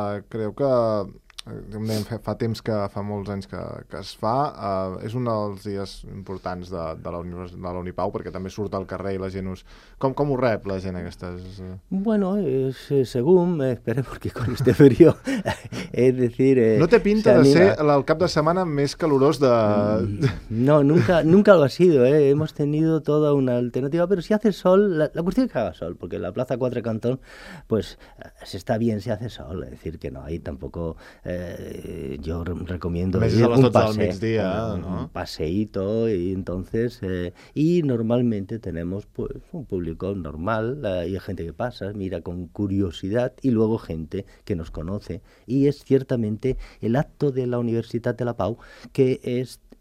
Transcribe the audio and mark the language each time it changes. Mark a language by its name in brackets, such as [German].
[Catalan] Creu que, com dèiem, fa temps, que fa molts anys que es fa, és un dels dies importants de la Unipau, perquè també surt al carrer i la gent us... Com ho rep la gent aquestes... [Spanish] Bueno, según, espere, porque con este frío, es decir... [Catalan] No té pinta de ser el cap de setmana més calorós de... [Spanish] No, nunca lo ha sido, hemos tenido toda una alternativa, pero si hace sol, la cuestión es que haga sol, porque la Plaza Cuatro Cantón, pues, se está bien si hace sol, es decir, que no, ahí tampoco... yo recomiendo un paseíto, y entonces y normalmente tenemos pues un público normal, y hay gente que pasa, mira con curiosidad, y luego gente que nos conoce, y es ciertamente el acto de la Universitat de la Pau que es